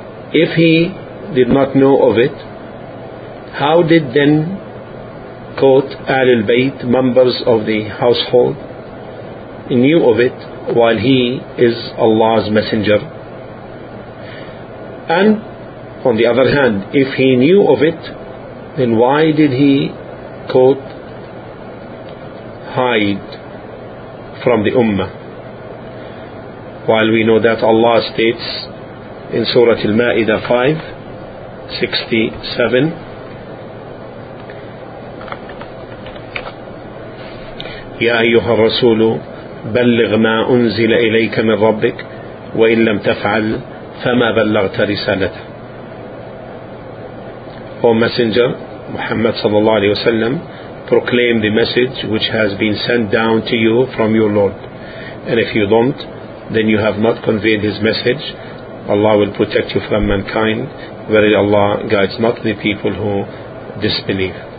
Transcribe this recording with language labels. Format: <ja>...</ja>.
<en>If he did not know of it, how did then, quote, Ahlul Bayt, members of the household, knew of it while he is Allah's messenger? And on the other hand, if he knew of it, then why did he, quote, hide from the Ummah? While we know that Allah states in Surah Al-Ma'idah 5:67,</en> <ar>يا أيها الرسول بلغ ما أنزل إليك من ربك وإن لم تفعل فما بلغت رسالته.</ar> <en>O Messenger Muhammad sallallahu alayhi wa sallam, proclaim the message which has been sent down to you from your Lord, and if you don't, then you have not conveyed his message. Allah will protect you from mankind. Verily Allah guides not the people who disbelieve.</en>